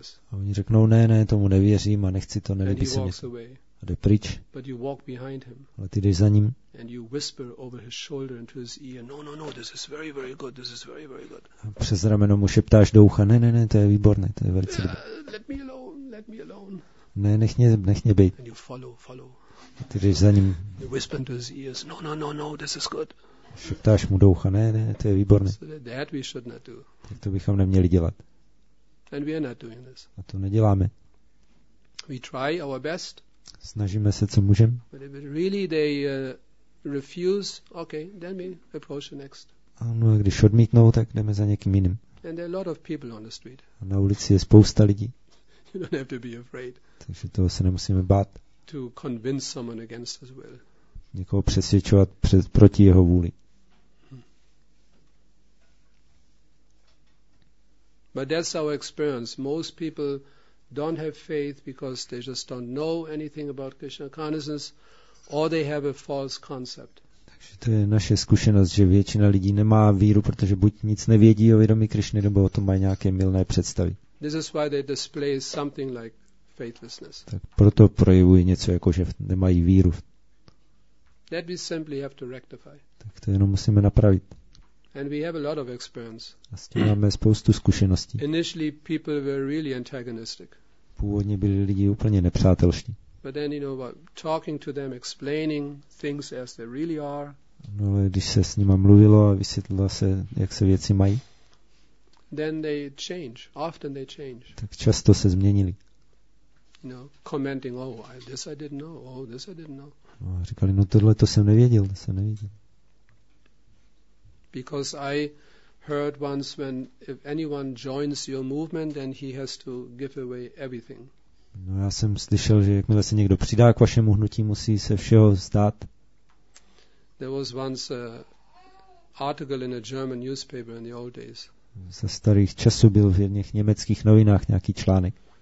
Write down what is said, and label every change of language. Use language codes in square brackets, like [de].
[cs] A oni řeknou, ne, tomu nevěřím a nechci to, nelíbí se mi. A jde pryč. [en] But you walk behind him. [cs] Ale ty jdeš za ním. [en] And you whisper over his shoulder into his ear, no, this is very, very good, this is very, very good. [cs] A přes rameno mu šeptáš do ucha, ne, to je výborné, to je velice dobré. [en] Let me alone. [cs] Ne, nech mě být. [en] And you follow. [cs] A ty jdeš za ním. [en] You whisper into his ears, no, this is good. [cs] Šeptáš mu do ucha, ne, to je výborné. So tak to bychom neměli dělat. [en] And we are not doing this. [cs] A to neděláme. [en] We try our best. [cs] Snažíme se, co můžeme. [en] But if really they refuse, okay, then we approach the next. [cs] A no, a když odmítnou, tak jdeme za někým jiným. [en] And there are a lot of people on the street. [cs] A na ulici je spousta lidí. [en] You don't have to be afraid. [cs] Takže toho se nemusíme bát. [en] To convince someone against his will. [cs] Někoho přesvědčovat proti jeho vůli. [en] But that's our experience. Most people don't have faith because they just don't know anything about Krishna consciousness, or they have a false concept. [cs] Takže to je naše zkušenost, že většina lidí nemá víru, protože buď nic nevědí o vědomí Krišny, nebo o tom mají nějaké mylné představy. [en] This is why they display something like faithlessness. [cs] Tak proto projevují něco jako, že nemají víru. [en] That we simply have to rectify. [cs] Tak to jenom musíme napravit. [en] And we have a lot of experience. [cs] A s tím máme spoustu zkušeností. [en] Initially people were really antagonistic. [cs] Původně byli lidi úplně nepřátelští. [en] But then you know, talking to them, explaining things as they really are. [cs] No, ale když se s nima mluvilo a vysvětlilo se, jak se věci mají. [en] Then they change. Often they change. [cs] Tak často se změnili. [en] You know, commenting, this I didn't know. [cs] No, říkali, no tohle to jsem nevěděl, to jsem nevěděl. [en] Because I heard once when if anyone joins your movement, then he has to give away everything. [cs] No, já jsem slyšel, že jakmile se někdo přidá k vašemu hnutí, musí se všeho vzdát. [en] There was once an article in a German newspaper in the old days. [cs] Ze starých časů byl v jedných německých novinách nějaký článek.